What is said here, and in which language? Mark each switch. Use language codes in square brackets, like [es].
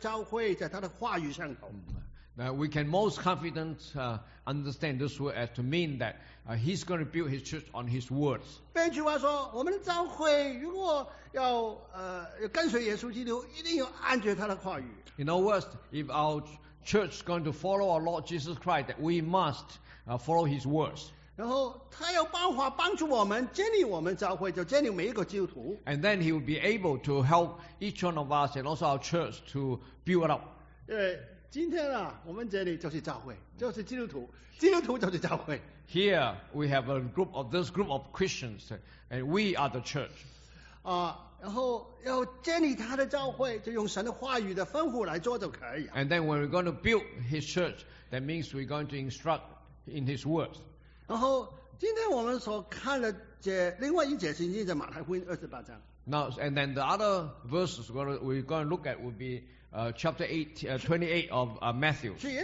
[zh] 这句话最能够给我们最有把握的了解，就是说，耶稣基督要建立他的教会在他的话语上头。 [en] Now, we can most confident understand this word as to mean that he's going to build his church on his words. [zh] 换句话说，我们的教会如果要跟随耶稣基督，一定要按着他的话语。 [en] In other words, if our church is going to follow our Lord Jesus Christ, that we must follow His words. [zh] 然后他有办法帮助我们建立我们教会，就建立每一个基督徒。 [en] And then He will be able to help each one of us and also our church to build it up. [zh] 因为今天啊，我们这里就是教会，就是基督徒，基督徒就是教会。 [en] here we have a group of this group of Christians, and we are the church. [zh] 然后要建立他的教会，就用神的话语的吩咐来做就可以。 [en] And then when we're going to build his church, that means we're going to instruct in his words. [zh] 然后今天我们所看的另外一节圣经在马太福音28章。 [en] Now, and then the other verses we're going to look at will be chapter 28 of Matthew.